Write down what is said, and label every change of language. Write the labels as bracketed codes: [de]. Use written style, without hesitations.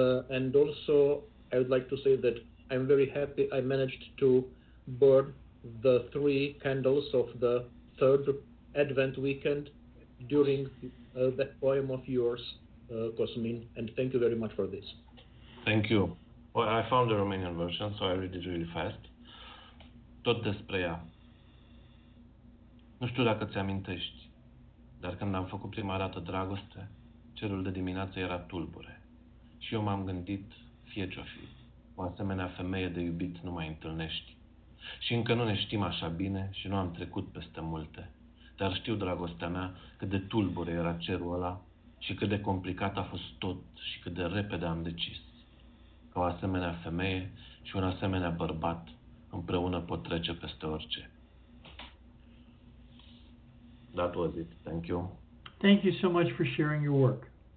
[en] And also, I would like to say that I'm very happy I managed to burn the three candles of the third Advent weekend during that poem of yours, Cosmin. And thank you very much for this. Thank you. Well, I found the Romanian version, so I read it really fast. [ro] Tot despre ea. Nu știu dacă ți-amintești, dar când am făcut prima dată dragoste, cerul de dimineață era tulbure. Și eu m-am gândit, fie ce-o fi, o asemenea femeie de iubit nu mai întâlnești. Și încă nu ne știm așa bine și nu am trecut peste multe. Dar știu, dragostea mea, cât de tulbure era cerul ăla și cât de complicat a fost tot și cât de repede am decis. Că o asemenea femeie și un asemenea bărbat împreună pot trece peste orice. [en] That was it. Thank you. Thank you so much for sharing your work.